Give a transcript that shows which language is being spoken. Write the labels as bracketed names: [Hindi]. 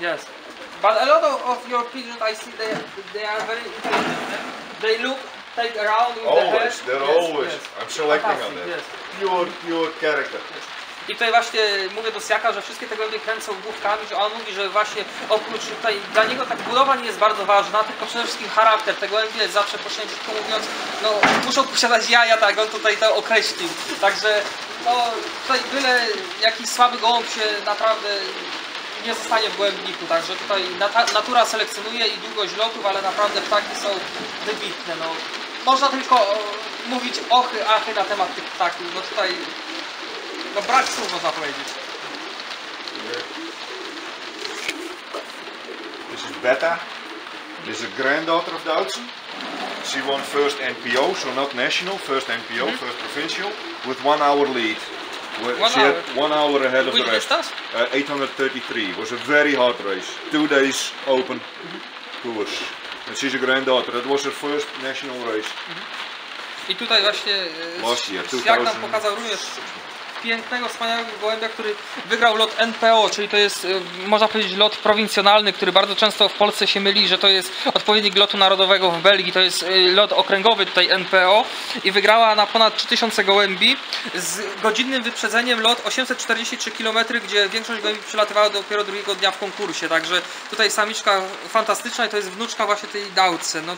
[English] Yes, but a lot of your pigeons I see they are very intelligent. They look take around with always, the head. They're yes, always. Yes. I'm selecting on that. Yes. Pure character. Yes. [Polish] I tutaj właśnie mówię do Siaka, że wszystkie te gołębie kręcą główkami, że on mówi, że właśnie oprócz tutaj dla niego tak budowa nie jest bardzo ważna, tylko przede wszystkim charakter. Te gołębie zawsze, pośrednio mówiąc, no muszą posiadać jaja, tak on tutaj to określił. Także no tutaj byle jakiś słaby gołąb się naprawdę nie zostanie w głębniku. Także tutaj natura selekcjonuje i długość lotów, ale naprawdę ptaki są wybitne. No. Można tylko mówić ochy, achy na temat tych ptaków, no tutaj... No brak słów, można powiedzieć. [English] This is Beta. This is a granddaughter of Doutzen. She won first NPO, so not national, first NPO, first provincial, with 1 hour lead. She had one hour ahead of which the rest. 833. It was a very hard race. 2 days open course. And she's a granddaughter. That was her first national race. [Polish] I tutaj właśnie [English] last year, 2000... [Polish] Jak nam pokazał również pięknego, wspaniałego gołębia, który wygrał lot NPO, czyli to jest, można powiedzieć, lot prowincjonalny, który bardzo często w Polsce się myli, że to jest odpowiednik lotu narodowego w Belgii, to jest lot okręgowy tutaj NPO i wygrała na ponad 3000 gołębi z godzinnym wyprzedzeniem lot 843 km, gdzie większość gołębi przylatywała dopiero drugiego dnia w konkursie, także tutaj samiczka fantastyczna i to jest wnuczka właśnie tej Doutzen.